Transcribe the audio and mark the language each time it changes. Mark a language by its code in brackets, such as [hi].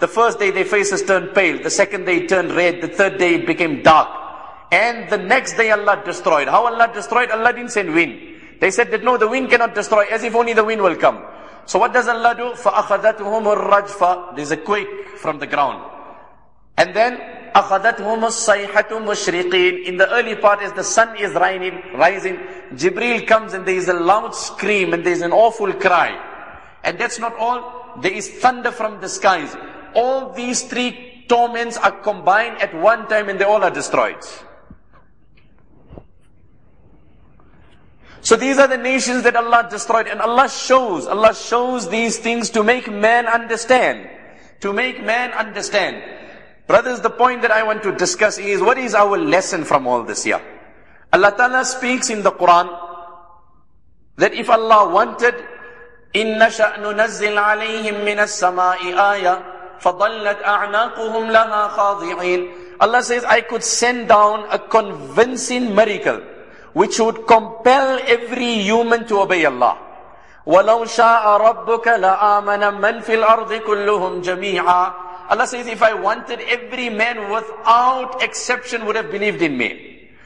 [en] The first day their faces turned pale, the second day it turned red, the third day it became dark. And the next day Allah destroyed. How Allah destroyed? Allah didn't send wind. They said that no, the wind cannot destroy, as if only the wind will come. So what does Allah do? [ar] فَأَخَذَتْهُمُ الرَّجْفَةُ. [en] There's a quake from the ground. And then, [ar] أَخَذَتْهُمُ الصَّيْحَةُ مُشْرِقِينَ. [en] In the early part, as the sun is rising, Jibreel comes and there is a loud scream and there is an awful cry. And that's not all. There is thunder from the skies. All these three torments are combined at one time and they all are destroyed. So these are the nations that Allah destroyed. And Allah shows these things to make man understand. To make man understand. Brothers, the point that I want to discuss is, what is our lesson from all this here? Allah Ta'ala speaks in the Quran that if Allah wanted, [ar] إِنَّ شَأْنُ نَزِّلْ عَلَيْهِمْ مِنَ السَّمَاءِ آيَةً فَضَلَّتْ أَعْنَاقُهُمْ لَهَا خَاضِعِينَ. [en] Allah says, I could send down a convincing miracle which would compel every human to obey Allah. [ar] وَلَوْ شَاءَ رَبُّكَ لَآمَنَ مَنْ فِي الْأَرْضِ كُلُّهُمْ جَمِيعًا. [en] Allah says, if I wanted, every man without exception would have believed in me.